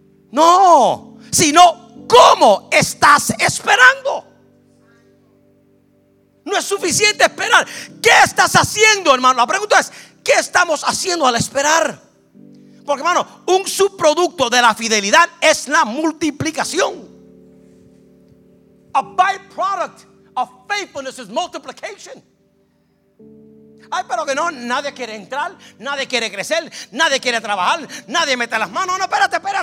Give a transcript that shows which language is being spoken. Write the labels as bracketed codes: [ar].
[es] No, sino ¿cómo estás esperando? No es suficiente esperar. ¿Qué estás haciendo, hermano? La pregunta es, ¿qué estamos haciendo al esperar? Porque, hermano, un subproducto de la fidelidad es la multiplicación. [en] A byproduct of faithfulness is multiplication. [es] Ay, pero que no, nadie quiere entrar, nadie quiere crecer, nadie quiere trabajar, nadie mete las manos. No, espérate.